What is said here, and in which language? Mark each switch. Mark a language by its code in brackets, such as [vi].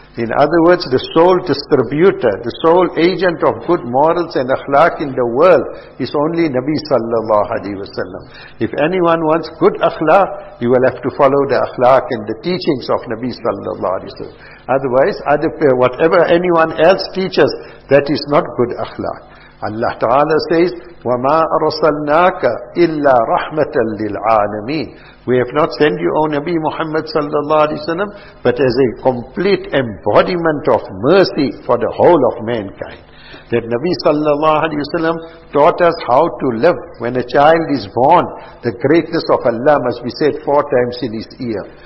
[en] In other words, the sole distributor, the sole agent of good morals and akhlaq in the world is only Nabi sallallahu alayhi wa sallam. If anyone wants good akhlaq, you will have to follow the akhlaq and the teachings of Nabi sallallahu alayhi wa sallam. Otherwise, whatever anyone else teaches, that is not good akhlaq. Allah Ta'ala says, [ar] وَمَا أَرْسَلْنَاكَ إِلَّا رَحْمَةً لِلْعَالَمِينَ. [en] We have not sent you, O Nabi Muhammad sallallahu alayhi wa sallam, but as a complete embodiment of mercy for the whole of mankind. That Nabi sallallahu alayhi wa sallam taught us how to live. When a child is born, the greatness of Allah must be said 4 times in his ear.